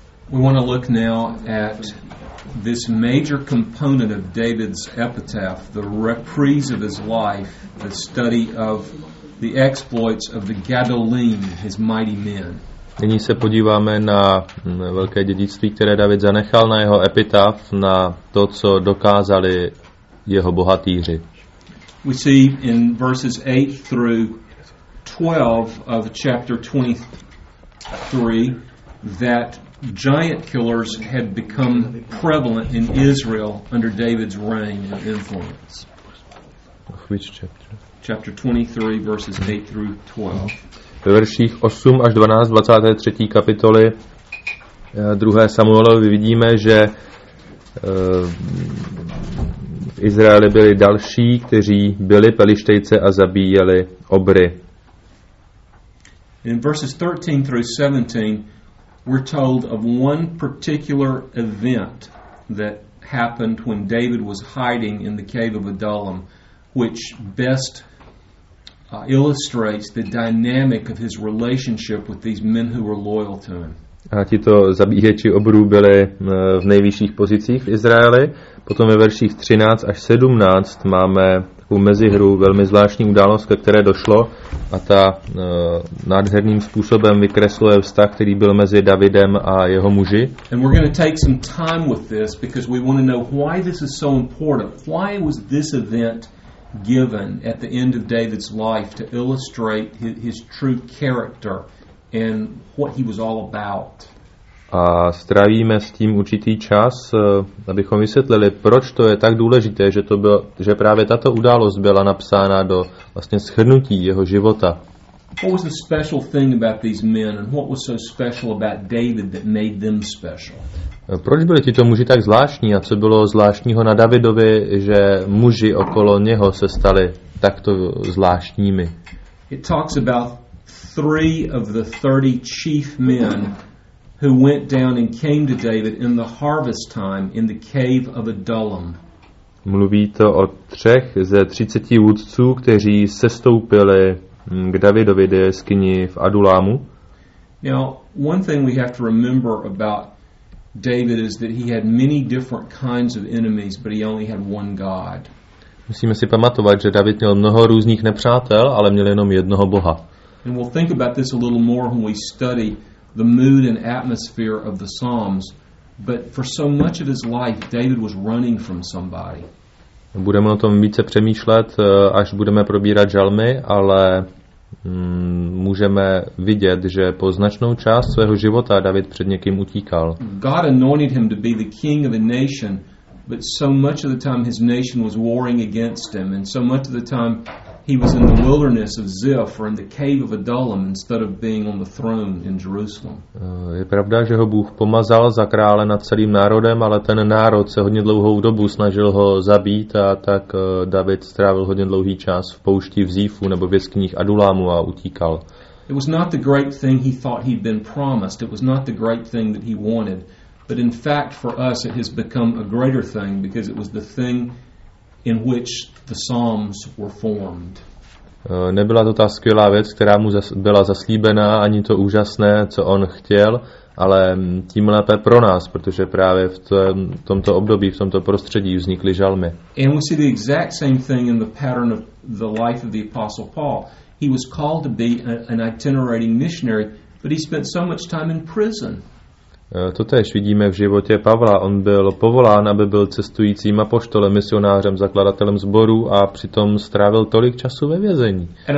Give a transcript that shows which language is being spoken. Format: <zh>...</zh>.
<en>We want to look now at this major component of David's epitaph, the reprise of his life, the study of the exploits of the Gadolim, his mighty men.</en> <cs>Nyní se podíváme na velké dědictví, které David zanechal, na jeho epitaf, na to, co dokázali jeho bohatíři.</cs> <en>We see in verses 8 through 12 of chapter 23 that giant killers had become prevalent in Israel under David's reign and influence. Which chapter? Chapter 23, verses 8 through 12.</en> <cs>Ve verších 8 až 12, 23. kapitoly 2. Samuelovi vidíme, že v Izraeli byli další, kteří byli Pelištejce a zabíjeli obry.</cs> <en>In verses 13 through 17, we're told of one particular event that happened when David was hiding in the cave of Adullam, which best illustrates the dynamic of his relationship with these men who were loyal to him.</en> <cs>A tito zabíječi obrů byli v nejvyšších pozicích v Izraeli. Potom ve verších 13 až 17 máme takovou mezihru, velmi zvláštní událost, ke které došlo, a ta nádherným způsobem vykresluje vztah, který byl mezi Davidem a jeho muži.</cs> <en>And we're going to take some time with this because we want to know why this is so important. Why was this event given at the end of David's life to illustrate his true character and what he was all about.</en> <cs>A strávíme s tím určitý čas, abychom vysvětlili, proč to je tak důležité, že to bylo, že právě tato událost byla napsána do vlastně shrnutí jeho života.</cs> <en>What was the special thing about these men and what was so special about David that made them special?</en> <cs>Proč byli tito muži tak zvláštní a co bylo zvláštního na Davidovi, že muži okolo něho se stali takto zvláštními?</cs> <en>It talks about three of the 30 chief men who went down and came to David in the harvest time in the cave of Adullam.</en> <cs>Mluví to o třech ze 30 vůdců, kteří sestoupili k Davidovi do jeskyni v Adulámu.</cs> <en>Now, one thing we have to remember about David is that he had many different kinds of enemies, but he only had one God.</en> <cs>Musíme si pamatovat, že David měl mnoho různých nepřátel, ale měl jenom jednoho Boha.</cs> <en>And we'll think about this a little more when we study the mood and atmosphere of the Psalms, but for so much of his life David was running from somebody.</en> <cs>Budeme o tom více přemýšlet, až budeme probírat žalmy, ale můžeme vidět, že po značnou část svého života David před někým utíkal.</cs> <en>God anointed him to be the king of a nation, but so much of the time his nation was warring against him, and so much of the time he was in the wilderness of Ziph or in the cave of Adullam instead of being on the throne in Jerusalem.</en> <cs>Je pravda, že ho Bůh pomazal za krále nad celým národem, ale ten národ se hodně dlouhou dobu snažil ho zabít, a tak David strávil hodně dlouhý čas v poušti v Zífu nebo v jeskyních Adulámu a utíkal.</cs> <en>It was not the great thing he thought he'd been promised. It was not the great thing that he wanted. But in fact for us it has become a greater thing because it was the thing in which the Psalms were formed.</en> <cs>Nebyla to ta skvělá věc, která mu byla zaslíbená, ani to úžasné, co on chtěl, ale tím lépe pro nás, protože právě v tomto období, v tomto prostředí vznikly žalmy.</cs> <en>And we see the exact same thing in the pattern of the life of the Apostle Paul. He was called to be an itinerating missionary, but he spent so much time in prison.</en> <cs>To též vidíme v životě Pavla. On byl povolán, aby byl cestujícím apoštolem, misionářem, zakladatelem sboru, a přitom strávil tolik času ve vězení.</cs>